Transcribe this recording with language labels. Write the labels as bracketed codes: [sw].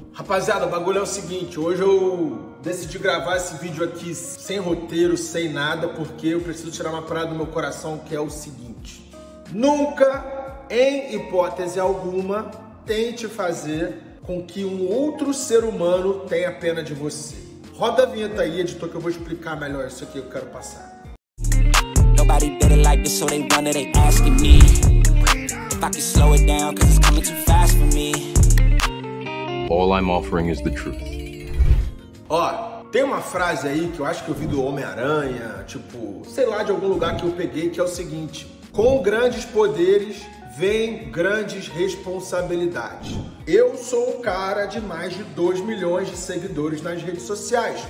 [pt] Rapaziada, o bagulho é o seguinte, hoje eu decidi gravar esse vídeo aqui sem roteiro, sem nada, porque eu preciso tirar uma parada do meu coração, que é o seguinte. Nunca, em hipótese alguma, tente fazer com que um outro ser humano tenha pena de você. Roda a vinheta aí, editor, que eu vou explicar melhor isso aqui que eu quero passar. [en] Nobody did it like this, so they wonder, they asking me. If I could slow it down, cause it's coming too fast for me. All I'm offering is the truth. [pt] Ó, tem uma frase aí que eu acho que eu vi do Homem-Aranha, tipo, sei lá, de algum lugar que eu peguei, que é o seguinte. Com grandes poderes, vem grandes responsabilidades. Eu sou o cara de mais de 2 milhões de seguidores nas redes sociais.